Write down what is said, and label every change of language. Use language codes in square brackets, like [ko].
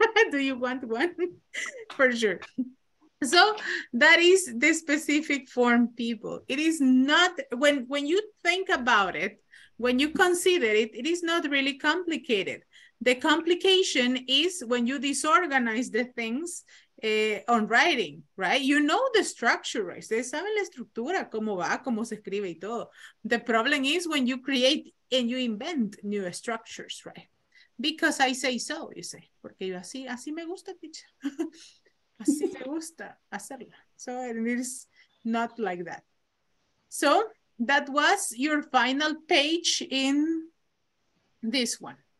[en] Do you want one? For sure. So that is the specific form, people. It is not, when you think about it, when you consider it, it is not really complicated. The complication is when you disorganize the things on writing, right? You know the structure, right? [es] Ustedes saben la estructura, cómo va, cómo se escribe y todo. [en] The problem is when you create and you invent new structures, right? Because I say so, you say. [es] Porque yo así me gusta, teacher. Así me gusta hacerla. [en] So it is not like that. So that was your final page in this one.